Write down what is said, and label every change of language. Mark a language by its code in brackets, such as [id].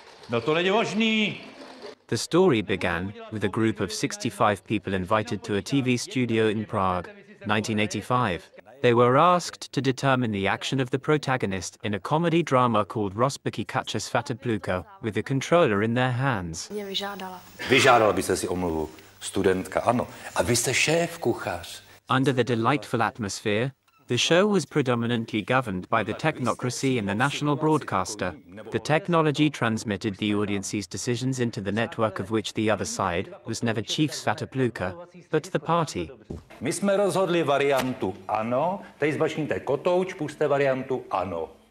[en] The story began with a group of 65 people invited to a TV studio in Prague, 1985. They were asked to determine the action of the protagonist in a comedy drama called Rozbiky kacha svata pluka with a controller in their hands. [cs] Vyžádala byste si omluvu, studentka, ano. A vy jste šéf, kuchař. [en] Under the delightful atmosphere, The show was predominantly governed by the technocracy and the national broadcaster. The technology transmitted the audience's decisions into the network, of which the other side was never chief svatopluka, but the party. [cs] My jsme rozhodli variantu ano, tady zbašníte kotouč, puste variantu ano.